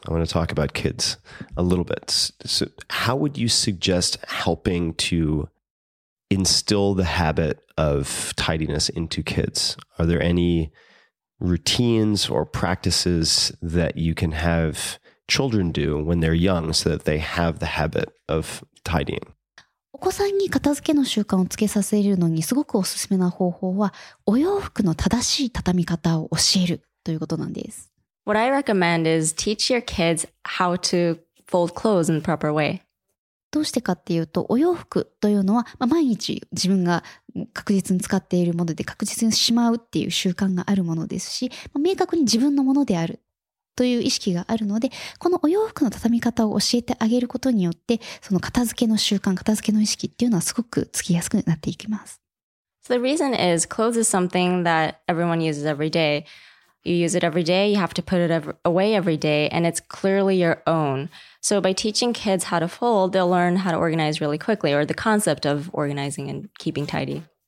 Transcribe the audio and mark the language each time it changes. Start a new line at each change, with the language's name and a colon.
English: I want to talk about kids a little bit. So how would you suggest helping to instill the habit of tidiness into kids? Are there any routines or practices that you can have children do when they're young so that they have the habit of tidying?
Japanese: お子さんに片付けの習慣をつけさせるのにすごくおすすめな方法は、お洋服の正しい畳み方を教えるということなんです。
English: What I recommend is teach your kids how to fold clothes in the proper way.
Japanese: どうしてかっていうと、お洋服というのは、まあ、毎日自分が確実に使っているもので確実にしまうっていう習慣があるものですし、まあ、明確に自分のものである。という意識があるので、このお洋服の畳み方を教えてあげることによって、その片付けの習慣、片付けの意識っていうのはすごくつきやすくなっていきます。
English: So the reason is clothes is something that everyone uses every day. You use it every day, you have to put it away every day, and it's clearly your own. So by teaching kids how to fold, they'll learn how to organize really quickly, or the concept of organizing and keeping tidy.